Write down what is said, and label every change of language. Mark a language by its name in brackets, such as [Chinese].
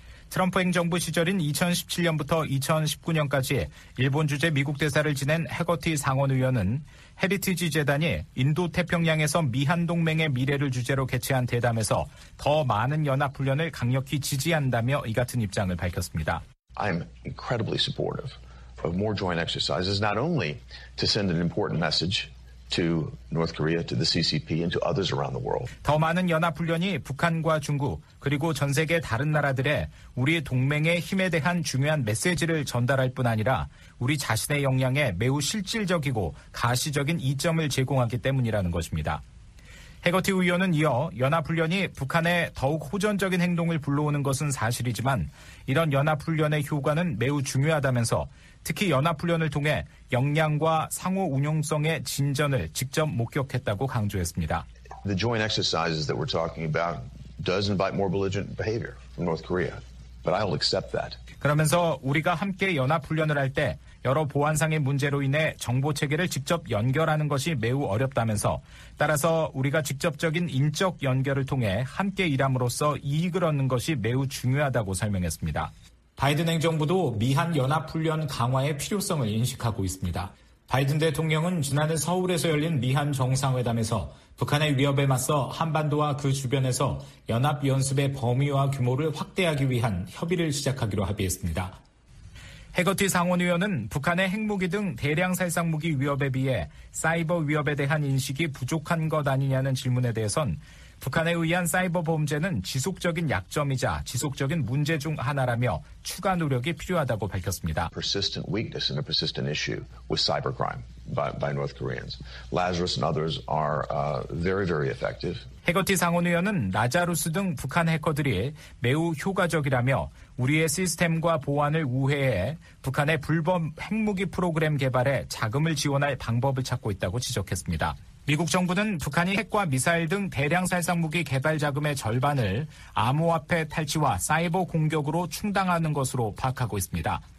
[Korean] 트럼프 행정부 시절인 2017년부터 2019년까지 일본 주재 미국 대사를 지낸 해거티 상원의원은 헤리티지 재단이 인도태평양에서 미한동맹의 미래를 주제로 개최한 대담에서 더 많은 연합훈련을 강력히 지지한다며 이 같은 입장을 밝혔습니다. [English] I'm incredibly supportive of more joint exercises, not only to send an important message to North Korea, to the CCP, and to others around the world. [Korean] 더 많은 연합훈련이 북한과 중국, 그리고 전 세계 다른 나라들의 우리 동맹의 힘에 대한 중요한 메시지를 전달할 뿐 아니라 우리 자신의 역량에 매우 실질적이고 가시적인 이점을 제공하기 때문이라는 것입니다. 해거티 의원은 이어 연합훈련이 북한에 더욱 호전적인 행동을 불러오는 것은 사실이지만 이런 연합훈련의 효과는 매우 중요하다면서 특히 연합훈련을 통해 역량과 상호 운용성의 진전을 직접 목격했다고 강조했습니다. [English] The joint exercises that we're talking about does invite more belligerent behavior from North Korea, but I'll accept that. [Korean] 그러면서 우리가 함께 연합훈련을 할 때 여러 보안상의 문제로 인해 정보 체계를 직접 연결하는 것이 매우 어렵다면서 따라서 우리가 직접적인 인적 연결을 통해 함께 일함으로써 이익을 얻는 것이 매우 중요하다고 설명했습니다. 바이든 행정부도 미한 연합훈련 강화의 필요성을 인식하고 있습니다. 바이든 대통령은 지난해 서울에서 열린 미한 정상회담에서 북한의 위협에 맞서 한반도와 그 주변에서 연합 연습의 범위와 규모를 확대하기 위한 협의를 시작하기로 합의했습니다. 해거티 상원의원은 북한의 핵무기 등 대량 살상무기 위협에 비해 사이버 위협에 대한 인식이 부족한 것 아니냐는 질문에 대해선 북한에 의한 사이버 범죄는 지속적인 약점이자 지속적인 문제 중 하나라며 추가 노력이 필요하다고 밝혔습니다. [English] Persistent weakness and a persistent issue with cyber crime by North Koreans. Lazarus and others are very very effective. [Korean] 해거티 상원의원은 라자루스 등 북한 해커들이 매우 효과적이라며 우리의 시스템과 보안을 우회해 북한의 불법 핵무기 프로그램 개발에 자금을 지원할 방법을 찾고 있다고 지적했습니다. 미국 정부는 북한이 핵과 미사일 등 대량 살상무기 개발 자금의 절반을 암호화폐 탈취와 사이버 공격으로 충당하는 것으로 파악하고 있습니다.